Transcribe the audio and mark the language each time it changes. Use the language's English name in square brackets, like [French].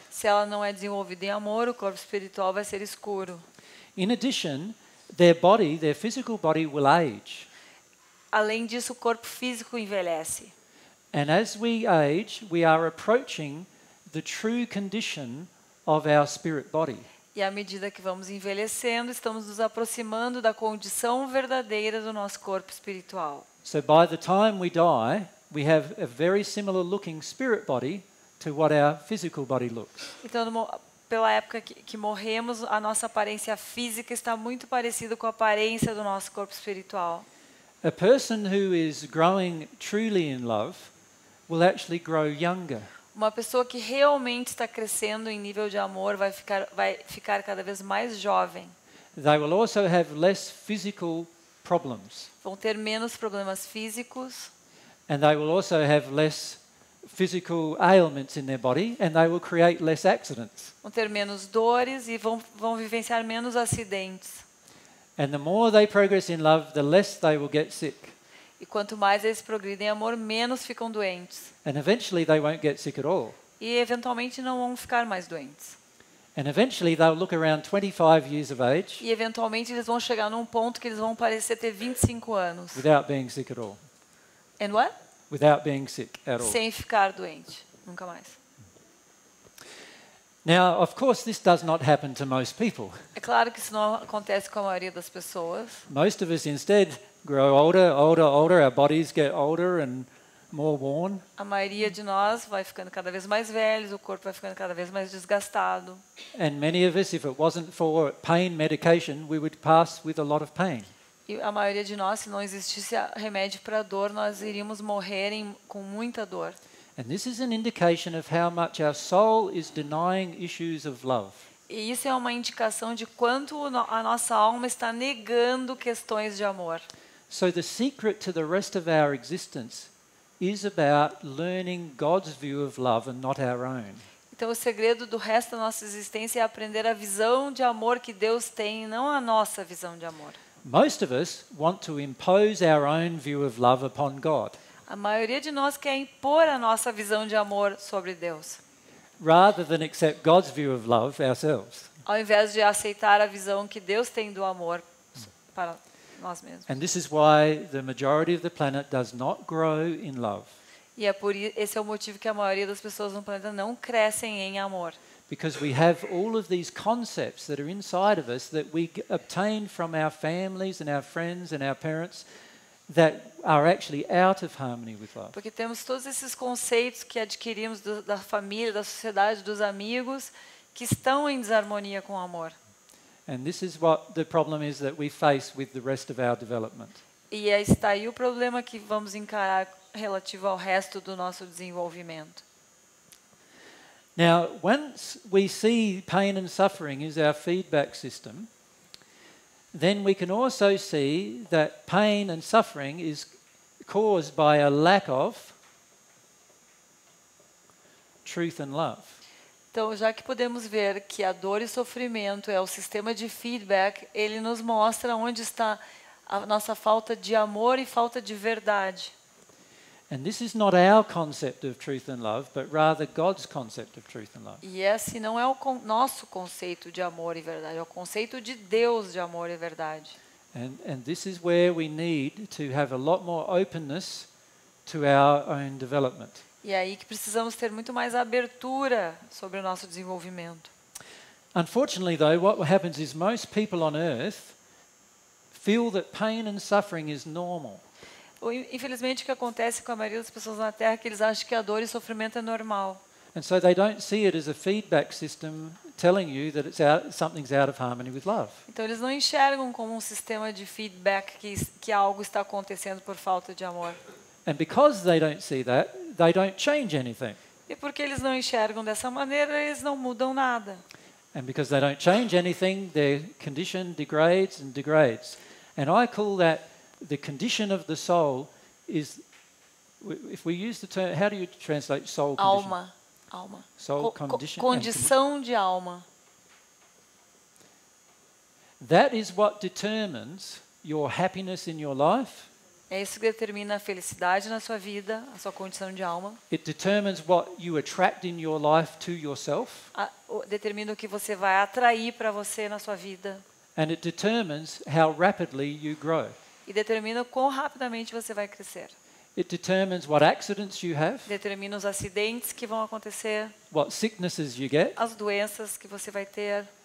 [Portuguese] Se ela não é desenvolvida em amor, o corpo espiritual vai ser escuro. [English] In addition, their body, their physical body will age. [Portuguese] Além disso, o corpo físico envelhece. [English] And as we age, we are approaching the true condition of our spirit body. [Portuguese] E à medida que vamos envelhecendo, estamos nos aproximando da condição verdadeira do nosso corpo espiritual. [English] So by the time we die, we have a very similar looking spirit body to what our physical body looks. [Portuguese] Então, pela época que morremos, a nossa aparência física está muito parecida com a aparência do nosso corpo espiritual. [English] A person who is growing truly in love will actually grow younger. [Portuguese] Uma pessoa que realmente está crescendo em nível de amor vai ficar cada vez mais jovem. [English] They will also have less physical problems. [Portuguese] Vão ter menos problemas físicos. [English] And they will also have less physical ailments in their body and they will create less accidents. [Portuguese] Vão ter menos dores e vão vivenciar menos acidentes. [English] And the more they progress in love, the less they will get sick. [Portuguese] E quanto mais eles progridem em amor, menos ficam doentes. [English] And eventually they won't get sick at all. [Portuguese] E eventualmente não vão ficar mais doentes. [English] And eventually they'll look around 25 years of age. [Portuguese] E eventualmente eles vão chegar num ponto que eles vão parecer ter 25 anos. [English] Without being sick at all. And what? Without being sick at all. [Portuguese] Sem ficar doente, nunca mais. [English] Now, of course, this does not happen to most people. [Portuguese] É claro que isso não acontece com a maioria das pessoas. [English] Most of us instead grow older, older, older. Our bodies get older and more worn. [Portuguese] A maioria de nós vai ficando cada vez mais velhos, o corpo vai ficando cada vez mais desgastado. [English] And many of us, if it wasn't for pain medication, we would pass with a lot of pain. [Portuguese] E a maioria de nós, se não existisse remédio para dor, nós iríamos morrer com muita dor. [English] And this is an indication of how much our soul is denying issues of love. [Portuguese] E isso é uma indicação de quanto a nossa alma está negando questões de amor. [English] So the secret to the rest of our existence is about learning God's view of love and not our own. [Portuguese] Então o segredo do resto da nossa existência é aprender a visão de amor que Deus tem, não a nossa visão de amor. [English] Most of us want to impose our own view of love upon God. [Portuguese] A maioria de nós quer impor a nossa visão de amor sobre Deus. [English] Rather than accept God's view of love ourselves. [Portuguese] Ao invés de aceitar a visão que Deus tem do amor para nós mesmos. [English] And this is why the majority of the planet does not grow in love. [Portuguese] E é por isso, esse é o motivo que a maioria das pessoas no planeta não crescem em amor. [English] Because we have all of these concepts that are inside of us that we obtain from our families and our friends and our parents that are actually out of harmony with love. [Portuguese] Porque temos todos esses conceitos que adquirimos da família, da sociedade, dos amigos que estão em desarmonia com o amor. [English] And this is what the problem is that we face with the rest of our development. [Portuguese] E aí está aí o problema que vamos encarar relativo ao resto do nosso desenvolvimento. [English] Now, once we see pain and suffering as our feedback system, then we can also see that pain and suffering is caused by a lack of truth and love. [Portuguese] Então, já que podemos ver que a dor e sofrimento é o sistema de feedback, ele nos mostra onde está a nossa falta de amor e falta de verdade. [English] And this is not our concept of truth and love, but rather God's concept of truth and love. [Portuguese] E esse não é o nosso conceito de amor e verdade, é o conceito de Deus de amor e verdade. [English] And this is where we need to have a lot more openness to our own development. [Portuguese] E aí que precisamos ter muito mais abertura sobre o nosso desenvolvimento. [English] Unfortunately though, what happens is most people on earth feel that pain and suffering is normal. [Portuguese] Infelizmente, o que acontece com a maioria das pessoas na Terra é que eles acham que a dor e o sofrimento é normal. [English] And so they don't see it as a feedback system telling you that it's out, something's out of harmony with love. [Portuguese] Então eles não enxergam como um sistema de feedback que algo está acontecendo por falta de amor. [English] And because they don't see that, they don't change anything. [Portuguese] E porque eles não enxergam dessa maneira, eles não mudam nada. [English] And because they don't change anything, their condition degrades and degrades. And I call that the condition of the soul is, if we use the term, how do you translate soul condition? [Portuguese] Alma. [English] Soul condition. [Portuguese] Condição de alma. [English] That is what determines your happiness in your life. [Portuguese] É isso que determina a felicidade na sua vida, a sua condição de alma. [English] It determines what you attract in your life to yourself. [Portuguese] Determina o que você vai atrair para você na sua vida. [English] And it determines how rapidly you grow. [Portuguese] E determina quão rapidamente você vai crescer. [English] It determines what accidents you have. [Portuguese] Determina os acidentes que vão acontecer. [English] What sicknesses you get. [Portuguese] As doenças que você vai ter.